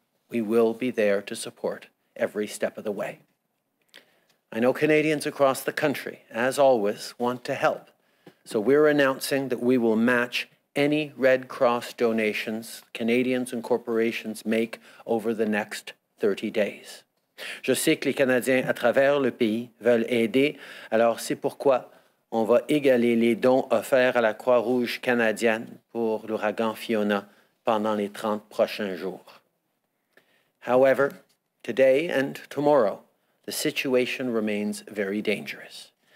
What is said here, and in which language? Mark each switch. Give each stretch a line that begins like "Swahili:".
English: We will be there to support every step of the way. I know Canadians across the country, as always, want to help. So we're announcing that we will match any Red Cross donations Canadians and corporations make over the next 30 days.
French: Je sais que les Canadiens à travers le pays veulent aider, alors c'est pourquoi on va égaler les dons offerts à la Croix-Rouge canadienne pour l'ouragan Fiona pendant les 30 prochains jours.
English: However, today and tomorrow, the situation remains very dangerous.